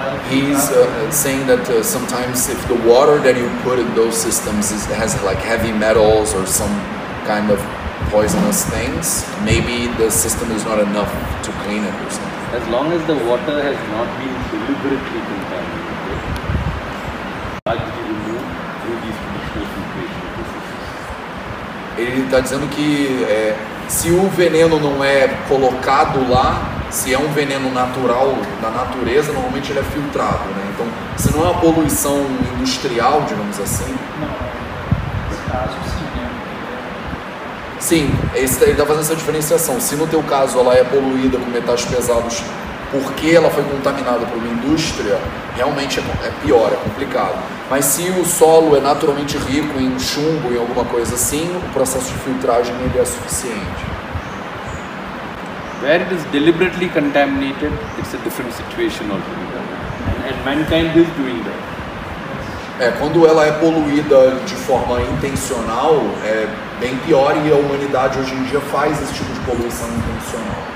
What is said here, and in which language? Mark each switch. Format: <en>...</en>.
<en>he's saying that sometimes if the water that you put in those systems is, has like heavy metals or some kind of poisonous things, maybe the system is not enough to clean it or something. As long as the water has not been deliberately contaminated, it has to be removed through these traditional filtration processes.</en> <pt>Ele está dizendo que se o veneno não é colocado lá, se é um veneno natural da natureza, normalmente ele é filtrado, né? Então, se não é uma poluição industrial, digamos assim. Não. Sim, ele está fazendo essa diferenciação. Se no teu caso ela é poluída com metais pesados porque ela foi contaminada por uma indústria, realmente é pior, é complicado. Mas se o solo é naturalmente rico em chumbo, em alguma coisa assim, o processo de filtragem ele é suficiente.</pt> <en>Where it is deliberately contaminated, it's a different situation altogether. And mankind is doing that.</en> <pt>É, quando ela é poluída de forma intencional, é bem pior, e a humanidade hoje em dia faz esse tipo de poluição intencional.</pt>